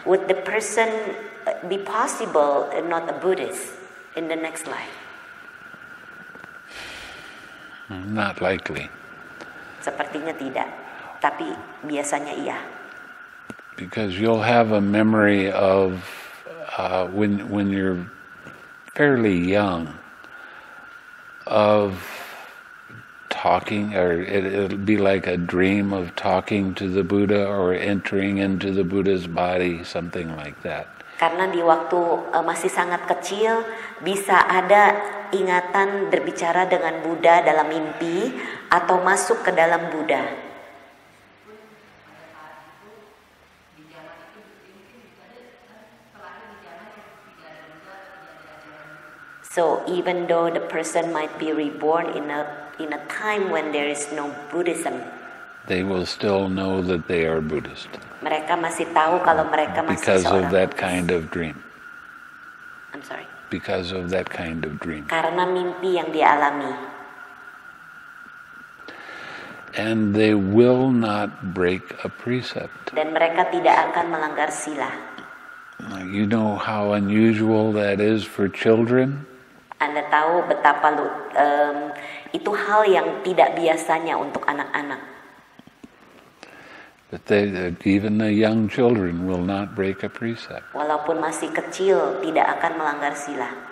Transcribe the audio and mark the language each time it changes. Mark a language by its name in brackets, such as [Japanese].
[English] Would the person be possible, not a Buddhist, in the next life? Not likely. [Indonesian] Sepertinya tidak, tapi biasanya iya. [English] Because you'll have a memory of when you're fairly young, of talking, or it'll be like a dream of talking to the Buddha or entering into the Buddha's body, something like that. [Indonesian] Karena di waktu masih sangat kecil, bisa ada ingatan berbicara dengan Buddha dalam mimpi atau masuk ke dalam Buddha. [English] So even though the person might be reborn in a time when there is no Buddhism, they will still know that they are Buddhist. [Indonesian] Mereka masih tahu kalau mereka masih [English] because of that kind of dream. I'm sorry. Because of that kind of dream. [Indonesian] Karena mimpi yang dialami. [English] And they will not break a precept. [Indonesian] Dan mereka tidak akan melanggar sila. [English] You know how unusual that is for children? [Indonesian] Anda tahu betapa itu hal yang tidak biasanya untuk anak-anak. [English] But even the young children will not break a precept. [Indonesian] Walaupun masih kecil, tidak akan melanggar sila.